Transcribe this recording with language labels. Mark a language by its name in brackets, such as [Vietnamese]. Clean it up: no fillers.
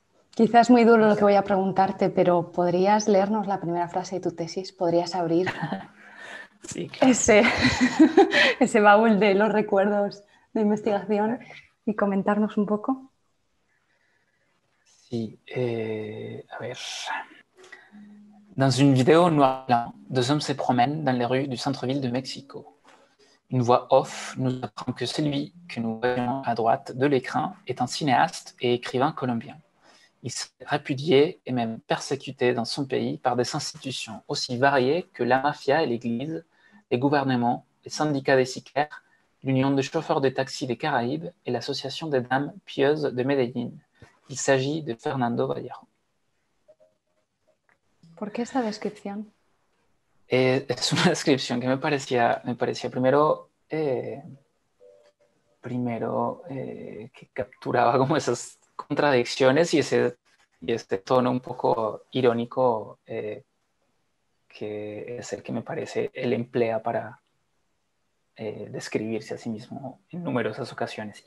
[Spanish] Quizás muy duro lo que voy a preguntarte, pero ¿podrías leernos la primera frase de tu tesis? ¿Podrías abrir sí, claro. ese baúl de los recuerdos de investigación y comentarnos un poco? Sí, a ver. [French] Dans une vidéo noire, deux hommes se promènent dans les rues du centre-ville de Mexico. Une voix off nous apprend que celui que nous voyons à droite de l'écran est un cinéaste et écrivain colombien. Il s'est répudié et même persécuté dans son pays par des institutions aussi variées que la mafia et l'église, les gouvernements, les syndicats des sicaires, l'Union des chauffeurs de taxi des Caraïbes et l'Association des dames pieuses de Medellín. Il s'agit de Fernando Vallejo. Pourquoi cette description? [Spanish] Es una descripción que me parecía primero que capturaba como esas contradicciones y ese tono un poco irónico que es el que me parece él emplea para describirse a sí mismo en numerosas ocasiones.